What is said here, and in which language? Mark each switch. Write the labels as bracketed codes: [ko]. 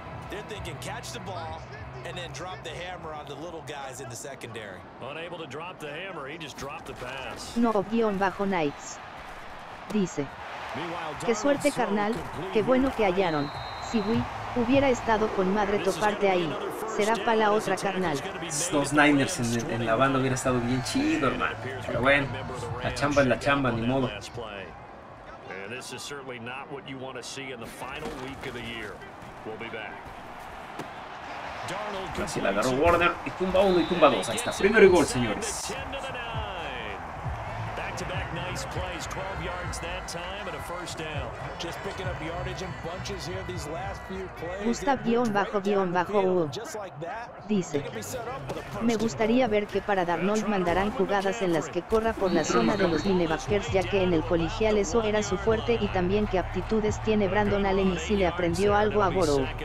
[en] They're thinking catch the ball and then drop the hammer on the little guys in the secondary. Unable to drop the hammer, he just dropped the pass. [es] Noob-Knights dice, qué suerte, carnal, qué bueno que hallaron. Si we hubiera estado con madre toparte ahí, será para la otra, carnal. Los Niners en la banda hubiera estado bien chido, hermano. Pero bueno, la chamba es la chamba, ni modo. [en] And this is certainly not what you want to see in the final week of the year. We'll be back. [es] Así la agarró Warner y tumba uno y tumba dos. Ahí está, primero y gol, señores. [en] Nice plays, 12 yards that time and a first down. Just picking up yardage in bunches here these last few plays. [es] Gustav-Hugo dice: me gustaría ver que para Darnold mandarán jugadas en las que corra por la zona de los linebackers, ya que en el colegial eso era su fuerte, y también qué aptitudes tiene Brandon Allen y si le aprendió algo a Burrow.